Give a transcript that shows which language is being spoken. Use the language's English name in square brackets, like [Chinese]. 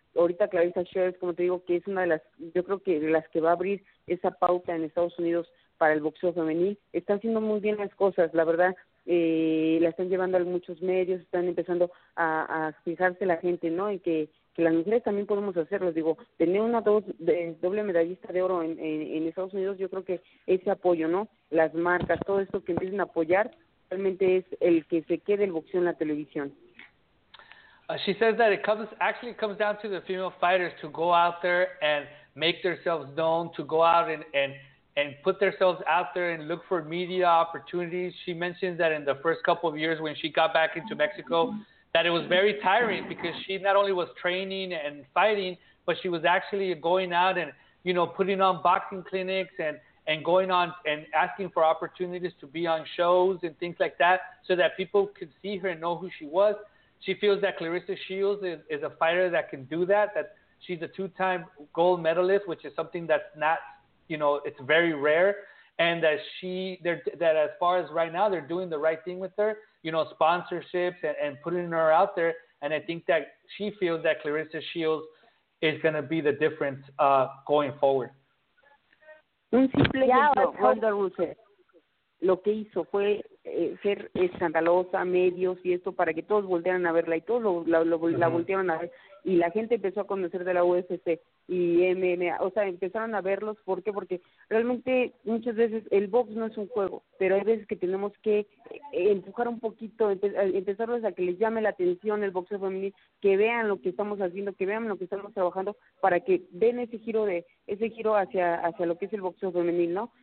[Spanish] Ahorita Clarissa Shields, como te digo, que es una de las, yo creo que de las que va a abrir esa pauta en Estados Unidos para el boxeo femenil, están haciendo muy bien las cosas, la verdad, la están llevando a muchos medios, están empezando a fijarse la gente, ¿no? En que las mujeres también podemos hacerlo. Digo, tener una doble medallista de oro en Estados Unidos, yo creo que ese apoyo, ¿no? Las marcas, todo esto que empiecen a apoyar, realmente es el que se quede el boxeo en la televisión. [English] She says that it comes down to the female fighters to go out there and make themselves known, to go out and put themselves out there and look for media opportunities. She mentions that in the first couple of years when she got back into Mexico, that it was very tiring because she not only was training and fighting, but she was actually going out and, you know, putting on boxing clinics and going on and asking for opportunities to be on shows and things like that so that people could see her and know who she was. She feels that Clarissa Shields is a fighter that can do that, that she's a two-time gold medalist, which is something that's not, you know, it's very rare. And that that as far as right now, they're doing the right thing with her, you know, sponsorships and putting her out there. And I think that she feels that Clarissa Shields is going to be the difference going forward. [Spanish] Un simple ejemplo, Ronda Rousey. Lo que hizo fue ser escandalosa, medios y esto, para que todos voltearan a verla y todos la voltearon a ver. Y la gente empezó a conocer de la UFC y MMA. O sea, empezaron a verlos. ¿Por qué? Porque realmente muchas veces el box no es un juego, pero hay veces que tenemos que empujar un poquito, empezarles a que les llame la atención el boxeo femenil, que vean lo que estamos haciendo, que vean lo que estamos trabajando, para que den ese giro hacia lo que es el boxeo femenil, ¿no?